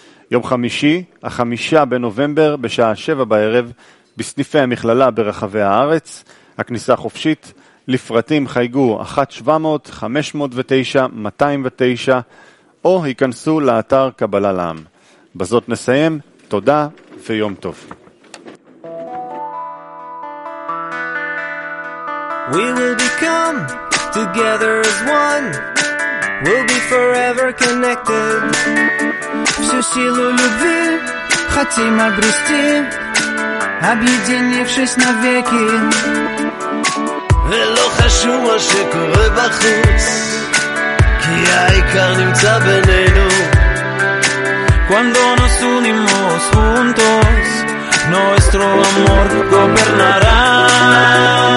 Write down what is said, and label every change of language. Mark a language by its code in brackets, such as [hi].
[he] יום חמישי, החמישה בנובמבר, בשעה 19:00, בסניפי המכללה ברחבי הארץ, הכניסה חופשית, לפרטים חייגו 1-700-509-209, או ייכנסו לאתר קבלה לעם. בזאת נסיים, תודה ויום טוב. [en] We will become together as one. We'll be forever connected. [ru] Всю силу любви хотим обрести, объединившись навеки. [he] ולא חשוב מה שקורה בחוץ, כי העיקר נמצא בינינו. [es] Cuando nos unimos juntos, nuestro amor gobernará.